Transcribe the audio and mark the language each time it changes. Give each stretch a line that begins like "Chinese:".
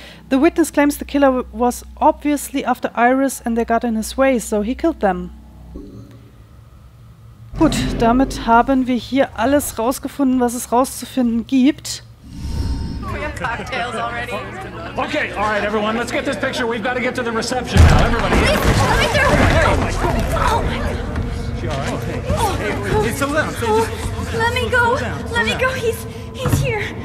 English: The witness claims the killer was obviously after Iris and they got in his way, so he killed them.
German: Gut, damit haben wir hier alles rausgefunden, was es rauszufinden gibt.
English: We have cocktails already. Okay, all right, everyone, let's get this picture. We've got to get to the reception now. Everybody, let me through. Hey. Oh my God. Oh my God. Is she all right? Oh. Hey, slow down. Oh. Let me go. He's here.